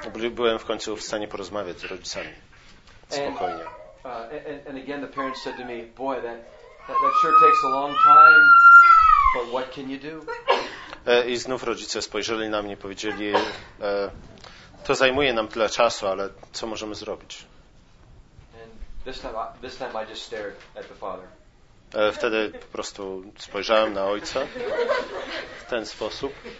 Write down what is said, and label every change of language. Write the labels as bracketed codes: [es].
[pl] Byłem w końcu w stanie porozmawiać z rodzicami. Spokojnie. [en] And again the parents said to me, "Boy, that sure takes a long time, but what can you do?" [pl] I znów rodzice spojrzeli na mnie i powiedzieli, to zajmuje nam tyle czasu, ale co możemy zrobić? [en] And this time I just stared at the father. [pl] Wtedy po prostu spojrzałem na ojca w ten sposób.